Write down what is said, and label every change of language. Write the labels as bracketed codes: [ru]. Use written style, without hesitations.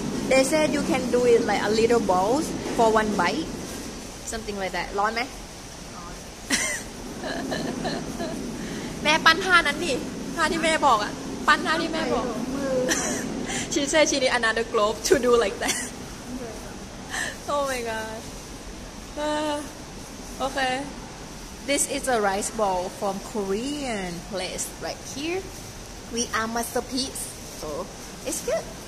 [en] They said you can do it like a little balls for one bite something like that [th] ร้อนไหม แม่ปั้นท่านั้นดิท่าที่แม่บอกอ่ะปั้นท่าที่แม่บอก [en] She said she need another globe to do like that Oh my god Okay This is a rice ball from Korean place right here We are masterpiece So it's good